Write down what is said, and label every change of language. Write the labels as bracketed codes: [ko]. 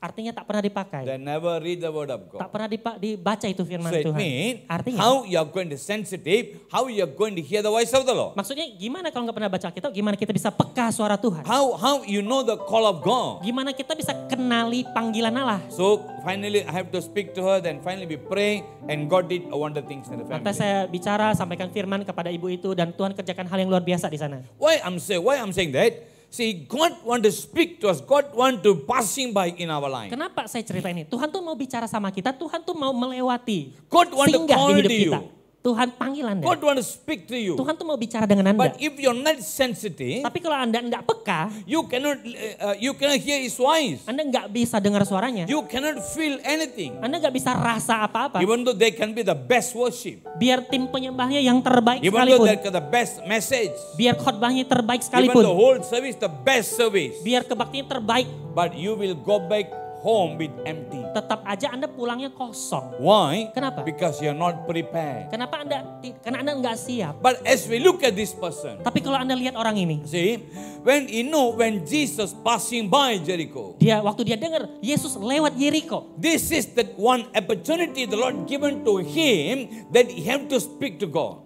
[id] Artinya tak pernah dipakai. [en] They never read the word of God. [id] Tak pernah dibaca itu firman [en] so So it means, artinya, how you are going to sensitive, how you are going to hear the voice of the Lord. [id] Maksudnya, gimana kalau gak pernah baca Alkitab, gimana kita bisa peka suara Tuhan? [en] How you know the call of God? [id] Gimana kita bisa kenali panggilan Allah? [en] So finally, I have to speak to her, then finally we pray, and God did a wonder things in the family. [id] Nanti saya bicara, sampaikan firman. Firman kepada ibu itu dan Tuhan kerjakan hal yang luar biasa di sana. [en] Why I'm saying that? See, God want to speak to us. God want to passing by in our life. [id] Kenapa saya cerita ini? Tuhan tuh mau bicara sama kita. Tuhan tuh mau melewati. [en] God want to call to you. [id] Tuhan panggil Anda. [en] God want to speak to you. [id] Tuhan tuh mau bicara dengan Anda. [en] But if you're not sensitive, [id] tapi kalau Anda enggak peka, [en] you cannot hear His voice. [id] Anda enggak bisa dengar suaranya. [en] You cannot feel anything. [id] Anda enggak bisa rasa apa-apa. [en] Even though they can be the best worship, [id] biar tim penyembahnya yang terbaik [en] even [id] sekalipun, [en] even though they can the best message, [id] biar khotbahnya terbaik sekalipun, [en] even the whole service the best service, [id] biar kebaktian terbaik, [en] but you will go back home with empty. [id] Tetap aja Anda pulangnya kosong. [en] Why? [id] Kenapa? [en] Because you're not prepared. [id] Kenapa Anda? Karena Anda enggak siap. [en] But as we look at this person. [id] Tapi kalau Anda lihat orang ini. [en] See, when you know when Jesus passing by Jericho. [id] Dia waktu dia dengar Yesus lewat Jericho. [en] This is the one opportunity the Lord given to him that he have to speak to God.